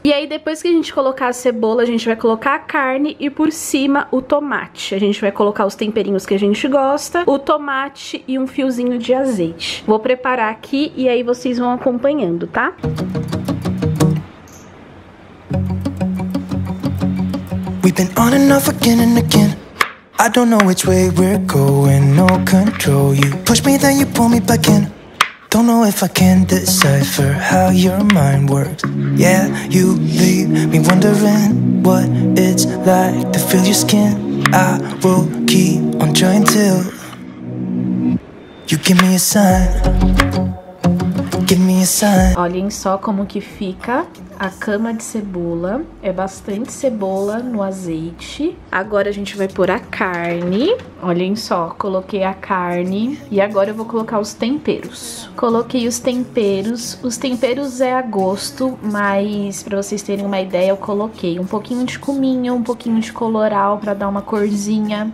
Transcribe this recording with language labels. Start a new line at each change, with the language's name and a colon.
Portuguese: E aí depois que a gente colocar a cebola, a gente vai colocar a carne e por cima o tomate. A gente vai colocar os temperinhos que a gente gosta, o tomate e um fiozinho de azeite. Vou preparar aqui e aí vocês vão acompanhando, tá?
English: We've been on and off again and again. I don't know which way we're going, no control. You push me, then you pull me back in. Don't know if I can decipher how your mind works. Yeah, you leave me wondering what it's like to feel your skin. I will keep on trying till you give me a sign.
Portuguese: Olhem só como que fica a cama de cebola. É bastante cebola no azeite. Agora a gente vai pôr a carne. Olhem só, coloquei a carne. E agora eu vou colocar os temperos. Coloquei os temperos. Os temperos é a gosto, mas pra vocês terem uma ideia, eu coloquei um pouquinho de cominho, um pouquinho de colorau pra dar uma corzinha.